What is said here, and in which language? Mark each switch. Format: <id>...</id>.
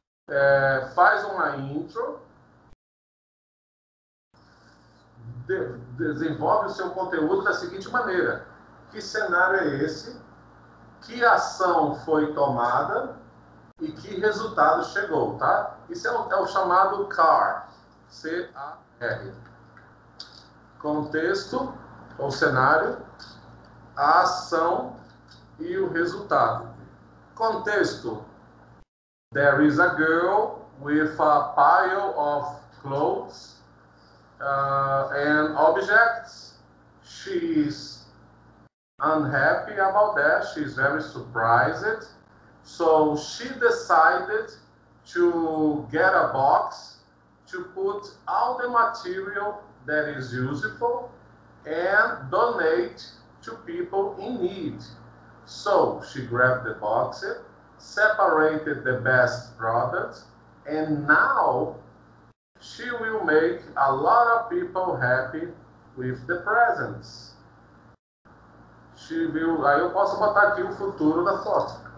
<pt>É, faz uma intro, desenvolve o seu conteúdo da seguinte maneira: que cenário é esse, que ação foi tomada e que resultado chegou, tá? Isso é o chamado CAR, C-A-R. Contexto, ou cenário, a ação e o resultado. Contexto.</pt> <en>There is a girl with a pile of clothes and objects. She is unhappy about that. She is very surprised. So she decided to get a box to put all the material that is useful and donate to people in need. So she grabbed the box. Separated the best product, and now she will make a lot of people happy with the presents. She will,</en> <pt>aí eu posso botar aqui o futuro da foto.</pt>